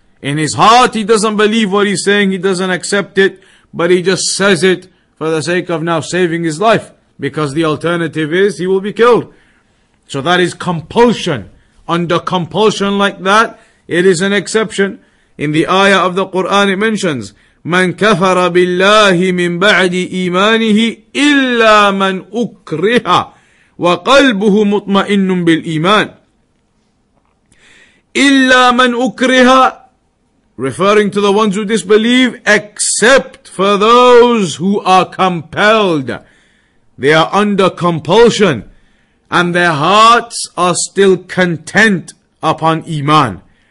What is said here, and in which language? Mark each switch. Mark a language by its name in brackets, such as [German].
[English] In his heart, he doesn't believe what he's saying, he doesn't accept it, but he just says it for the sake of now saving his life, because the alternative is he will be killed. So that is compulsion. Under compulsion like that, it is an exception. In the ayah of the Quran, it mentions, [Arabic] مَنْ كَفَرَ بِاللَّهِ مِنْ بَعْدِ إِيمَانِهِ إِلَّا مَنْ أُكْرِهَ وَقَلْبُهُ مُطْمَئِنٌ بِالْإِيمَانِ. إِلَّا مَنْ أُكْرِهَ, [English] referring to the ones who disbelieve, except for those who are compelled. They are under compulsion, and their hearts are still content upon Iman.